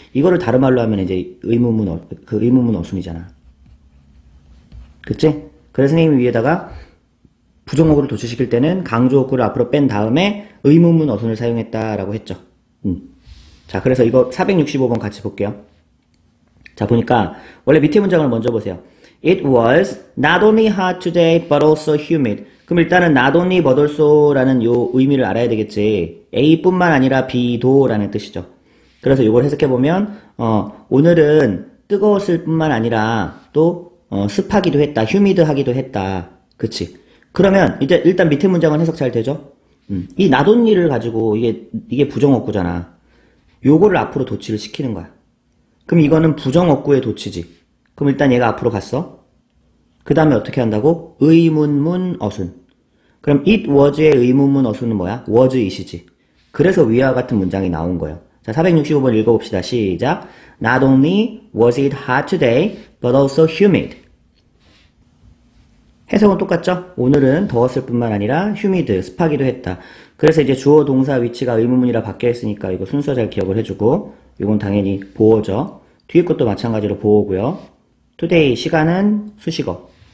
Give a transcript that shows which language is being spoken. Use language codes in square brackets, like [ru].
[ko] 이거를 다른 말로 하면 이제 의문문 어순이잖아. 그치? 그래서 선생님이 위에다가 부정어구를 도치시킬 때는 강조어구를 앞으로 뺀 다음에 의문문 어순을 사용했다라고 했죠. 자, 그래서 이거 465번 같이 볼게요. 자, 보니까 원래 밑에 문장을 먼저 보세요. [en] It was not only hot today, but also humid. [ko] 그럼 일단은 [en] not only, but also [ko] 라는 요 의미를 알아야 되겠지. A뿐만 아니라 B도라는 뜻이죠. 그래서 요걸 해석해 보면, 오늘은 뜨거웠을 뿐만 아니라 또 습하기도 했다, 휴미드하기도 했다. 그치? 그러면 이제 일단 밑에 문장은 해석 잘 되죠? 이 not only를 가지고 이게 부정어구잖아. 요거를 앞으로 도치를 시키는 거야. 그럼 이거는 부정어구의 도치지. 그럼 일단 얘가 앞으로 갔어. 그 다음에 어떻게 한다고? 의문문 어순. 그럼 [en] it was [ko] 의 의문문 어순은 뭐야? [en] was it [ko] 이지. 그래서 위와 같은 문장이 나온 거예요. 자, 465번 읽어봅시다. 시작. [en] Not only was it hot today, but also humid. [ko] 해석은 똑같죠? 오늘은 더웠을 뿐만 아니라 휴미드, 습하기도 했다. 그래서 이제 주어 동사 위치가 의문문이라 바뀌어 있으니까 이거 순서 잘 기억을 해주고, 이건 당연히 보어죠. 뒤에 것도 마찬가지로 보어고요. Today 시간은 수식어.